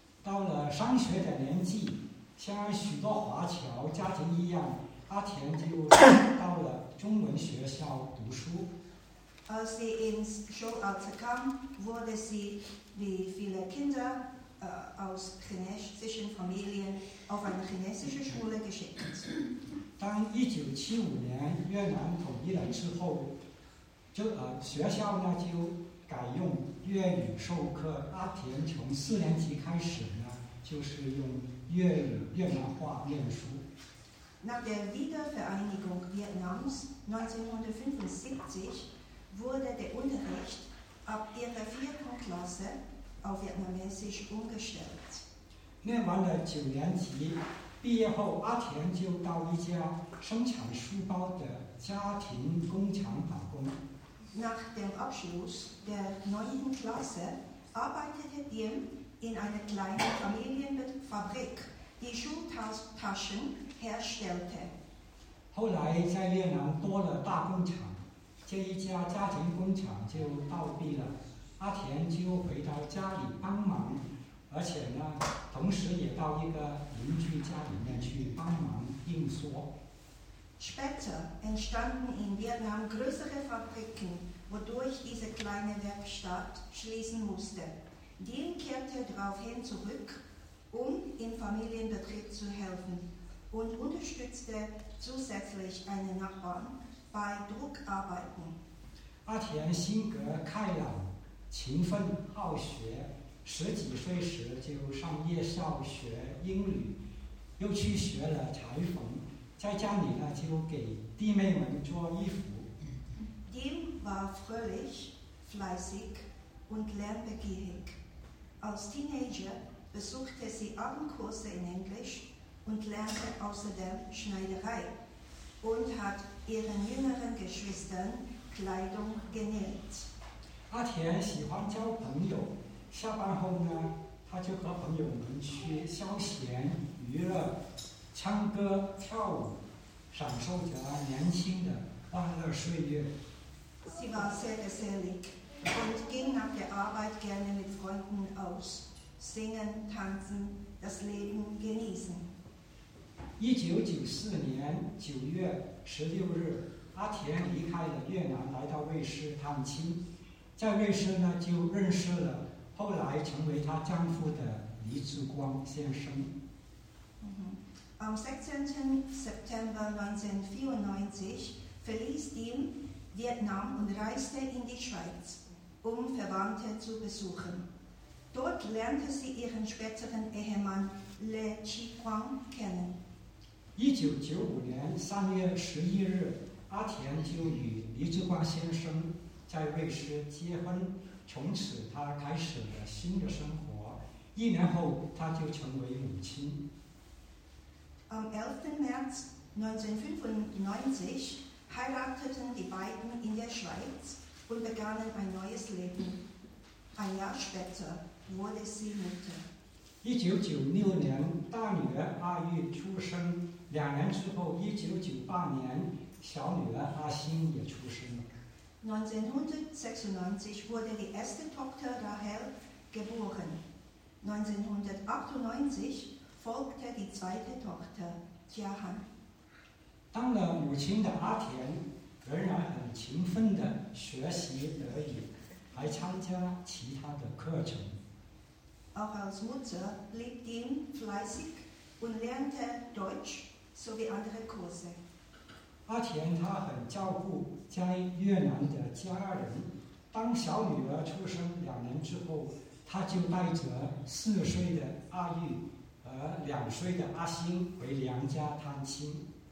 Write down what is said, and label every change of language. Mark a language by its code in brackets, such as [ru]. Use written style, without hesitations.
[zh] 到了上学的年纪，像许多华侨家庭一样，阿田就到了中文学校读书。 [de] Als sie ins Schulalter kam, wurde sie, wie viele Kinder aus chinesischen Familien, auf eine chinesische Schule geschickt. [zh] 当1975年越南统一了之后，学校呢就改用粤语授课。阿田从四年级开始呢，就是用粤语越南话念书。 [de] Nach der Wiedervereinigung Vietnams 1975wurde der Unterricht ab ihrer vierten Klasse auf Vietnamesisch umgestellt. [zh] 念完了九年级，毕业后阿田就到一家生产书包的家庭工厂打工。 [de] Nach dem Abschluss der neunten Klasse arbeitete Diem in einer kleinen Familienfabrik, die Schultaschen herstellte. [zh] 后来在越南多了大工厂。这一家家庭工厂就倒闭了，阿田就回到家里帮忙，而且呢，同时也到一个邻居家里面去帮忙应说。 [de] Später entstanden in Vietnam größere Fabriken, wodurch diese kleine Werkstatt schließen musste. Dien kehrte daraufhin zurück, um im Familienbetrieb zu helfen und unterstützte zusätzlich einen Nachbarn. By Druckarbeiten. [zh] 阿田性格开朗、勤奋、好学，十几岁时就上夜校学英语，又去学了裁缝，在家里呢就给弟妹们做衣服。 [de] Dim war fröhlich, fleißig und lernbegierig. Als Teenager besuchte sie Abendkurse in Englisch und lernte außerdem Schneiderei. Und hat ihren jüngeren Geschwistern Kleidung genäht. [zh] Atien 喜欢交朋友，下班后呢，他就和朋友们去消闲娱乐，唱歌跳舞，享受着年轻的欢乐岁月。 [de] Sie war sehr gesellig und ging nach der Arbeit gerne mit Freunden aus, singen, tanzen, das Leben genießen. [zh] 1994年9月16日，阿田离开了越南，来到瑞士探亲。在瑞士呢，就认识了后来成为他丈夫的黎志光先生。 [de] Am 16. September 1994 verließ Dim Vietnam und reiste in die Schweiz, um Verwandte zu besuchen. Dort lernte sie ihren späteren Ehemann Le Chi Quang kennen. [zh] 1995年3月11日，阿田就与黎智光先生在瑞士结婚，从此她开始了新的生活。一年后，她就成为母亲。 [de] Am 11. März 1995 heirateten die beiden in der Schweiz und begannen ein neues Leben. Ein Jahr später wurde sie Mutter. [zh] 1996年，大女儿阿玉出生。两年之后，1998年，小女儿阿欣也出生了。 [de] 1996 wurde die erste Tochter Rahel geboren. 1998 folgte die zweite Tochter Jahan. [zh] 当了母亲的阿田仍然很勤奋地学习德语，还参加其他的课程。 [de] Auch als Mutter blieb Dean fleißig und lernte Deutsch sowie andere Kurse. [zh] 阿田他很照顾在越南的家人。当小女儿出生两年之后，他就带着4岁的阿玉和2岁的阿欣回娘家探亲。